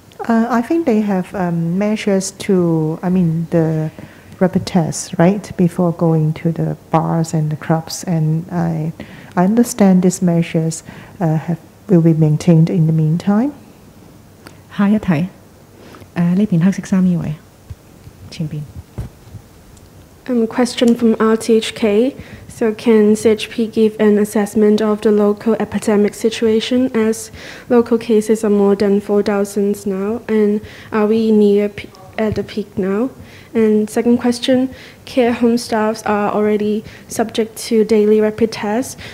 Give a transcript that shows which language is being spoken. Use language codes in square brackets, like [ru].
[en] I think they have measures to, I mean, the rapid tests, right, before going to the bars and the clubs, and I understand these measures will be maintained in the meantime. [zh] 下一題, 這邊黑色衣服這位, 前面。 [en] Question from RTHK. So can CHP give an assessment of the local epidemic situation, as local cases are more than 4,000 now, and are we near at the peak now? And second question, care home staffs are already subject to daily rapid tests.